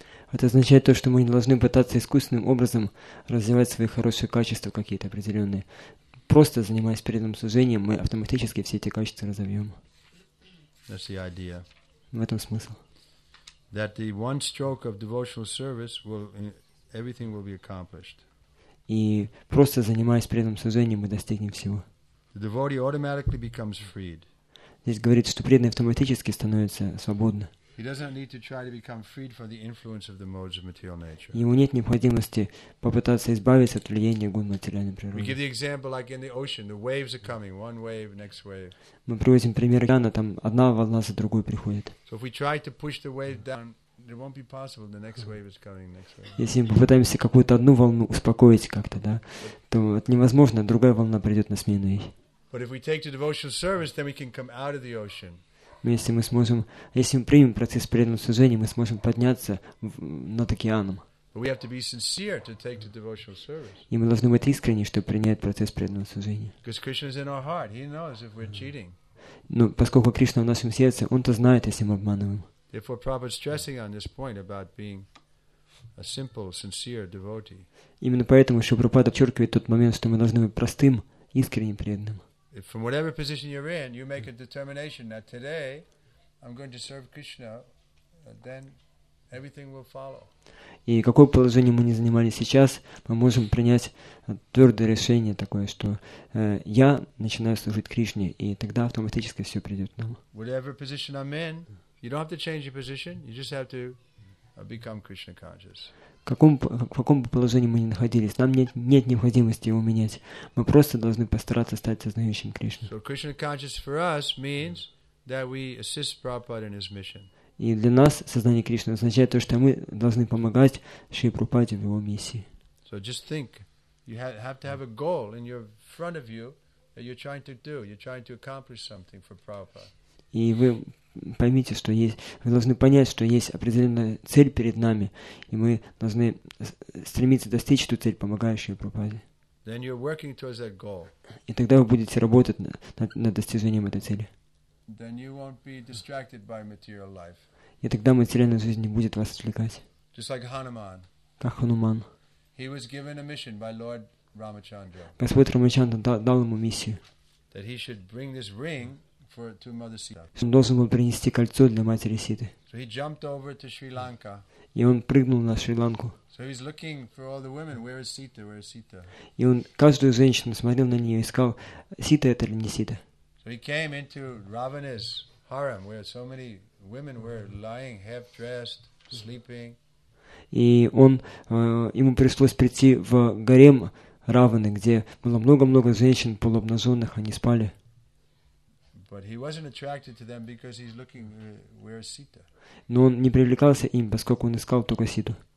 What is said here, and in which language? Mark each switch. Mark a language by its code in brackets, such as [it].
[ru] Это означает то, что мы не должны пытаться искусственным образом развивать свои хорошие качества какие-то определенные. Просто занимаясь преданным служением, мы автоматически все эти качества разовьем. [en] That's the idea. [ru] В этом смысл. [en] That the one stroke of devotional service will everything will be accomplished. [ru] И просто занимаясь преданным служением, мы достигнем всего. [en] The devotee automatically becomes freed. [ru] Здесь говорится, что преданный автоматически становится свободным. [en] He doesn't need to try to become freed from the influence of the modes of material nature. [ru] Ему нет необходимости попытаться избавиться от влияния гун материальной природы. [en] We give the example like in the ocean, the waves are coming, one wave, next wave. [ru] Мы приводим пример океана, там одна волна за другой приходит. [en] So if we try to push the wave down, it won't be possible. The next wave is coming, next wave. [ru] Если мы попытаемся какую-то одну волну успокоить как-то, да, то это невозможно, другая волна придет на смену ей. [en] But if we take the devotional service, then we can come out of the ocean. [ru] Если мы примем процесс преданного служения, мы сможем подняться над океаном. [en] But we have to be sincere to take the devotional service. [ru] И мы должны быть искренни, чтобы принять процесс преданного служения. [en] Because Krishna is in our heart, he knows if we're cheating. [ru] Ну, поскольку Кришна в нашем сердце, он-то знает, если мы обманываем. [en] Therefore, Prabhupada is stressing on this point about being a simple, sincere devotee. [ru] Именно поэтому Шри Прабхупада подчеркивает тот момент, что мы должны быть простым, искренним преданным. [en] From whatever position you're in, you make a determination that today I'm going to serve Krishna, then everything will follow. [ru] И какое положение мы ни занимали сейчас, мы можем принять твердое решение такое, что я начинаю служить Кришне, и тогда автоматически все придет нам. [en] Whatever position I'm in, you don't have to change your position, you just have to become Krishna conscious. [ru] В каком бы положении мы ни находились, нам нет необходимости его менять. Мы просто должны постараться стать сознающим Кришной. [en] So, [ru] и для нас сознание Кришны означает то, что мы должны помогать Шри Прабхупаде в его миссии. [en] So just think, you have to have a goal in your front of you that you're trying to do. You're trying to accomplish something for Prabhupada. [ru] И вы поймите, что есть, вы должны понять, что есть определенная цель перед нами, и мы должны стремиться достичь эту цель, помогающую Прабхупаде. [en] Then you're working towards that goal. [ru] И тогда вы будете работать над достижением этой цели. [en] Then you won't be distracted by material life. [ru] И тогда материальная жизнь не будет вас отвлекать. [en] Just like Hanuman. [ru] Как Хануман. [en] He was given a mission by Lord Ramachandra. [ru] Господь Рамачандра дал ему миссию. [en] That he should bring this ring. [ru] Он должен был принести кольцо для матери Ситы. [en] So he jumped over to Sri Lanka. [ru] И он прыгнул на Шри-Ланку. [en] So he's looking for all the women. Where is Sita? Where is Sita? [ru] И он каждую женщину смотрел на нее и искал, Сита это или не Сита. [en] So he came into Ravana's harem, where so many women were lying half dressed, sleeping. [ru] И он, ему пришлось прийти в гарем Равны, где было много-много женщин полуобнаженных, они спали. Но он не привлекался им, поскольку он искал только Ситу.